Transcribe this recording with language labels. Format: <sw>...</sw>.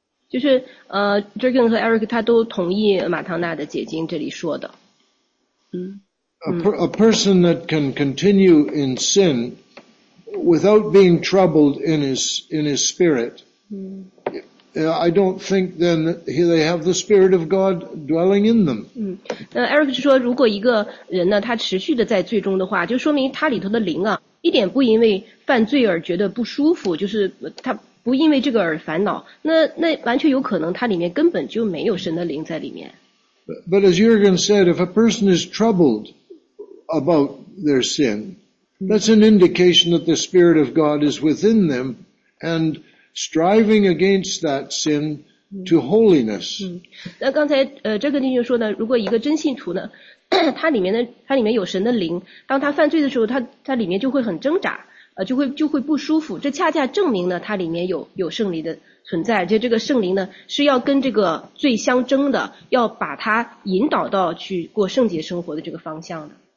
<zh>就是Jurgen 和 Eric 他都同意马唐纳的解经这里说的。嗯。</zh> <en>A person that can continue in sin without being troubled in his spirit. I don't think then that they have the Spirit of God dwelling in them.</en> <zh>嗯，那 Eric 就说，如果一个人呢，他持续的在罪中的话，就说明他里头的灵啊，一点不因为犯罪而觉得不舒服，就是他不因为这个而烦恼。那完全有可能，他里面根本就没有神的灵在里面。</zh> <en>But as Jurgen said, if a person is troubled about their sin, that's an indication that the Spirit of God is within them and striving against that sin to holiness.</en> <zh>那刚才这个弟兄说呢，如果一个真信徒呢，他里面有神的灵，当他犯罪的时候，他里面就会很挣扎，就会不舒服。这恰恰证明呢，他里面有圣灵的存在，而且这个圣灵呢是要跟这个罪相争的，要把他引导到去过圣洁生活的这个方向的。</zh>